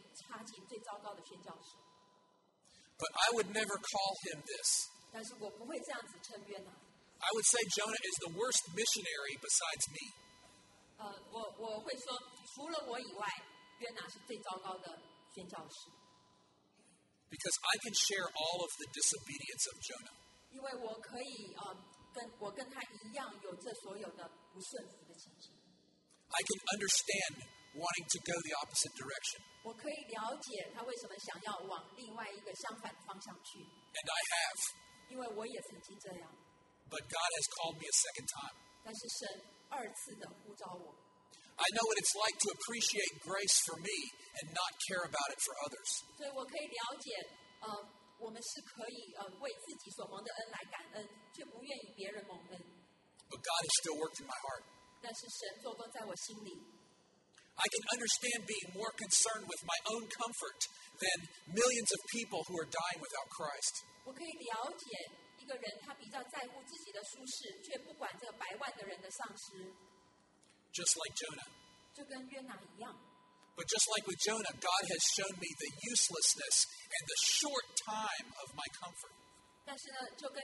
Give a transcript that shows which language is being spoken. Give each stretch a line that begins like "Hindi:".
Chinese: 我听见很多人在传讲约拿的信息，说他是一个最差劲、最糟糕的宣教士。
English: But I would never call him this.
Chinese: 但是我不会这样子称约拿。
English: I would say Jonah is the worst missionary besides me.
Chinese: 我会说，除了我以外，约拿是最糟糕的宣教士。
English: Because I can share all of the disobedience of Jonah.
Chinese: 因为我可以, 跟我跟他一样有这所有的不顺服的情形。
English: I can understand wanting to go the opposite direction.
Chinese: 我可以了解他为什么想要往另外一个相反的方向去。
English: And I have.
Chinese: 因为我也曾经这样。
English: But God has called me a second time.
Chinese: 但是神二次的呼召我。
English: I know what it's like to appreciate grace for me and not care about it for others.
Chinese: 对，我可以了解， 我们是可以, 为自己所蒙的恩来感恩，却不愿意别人蒙恩。
English: But God has still worked in my heart.
Chinese: 但是神做工在我心里。
English: I can understand being more concerned with my own comfort than millions of people who are dying without Christ.
Chinese: 我可以了解一个人他比较在乎自己的舒适，却不管这百万的人的丧失。
English: Just like Jonah.
Chinese: 就跟约拿一样。
English: But just like with Jonah, God has shown me the uselessness and the short time of my comfort.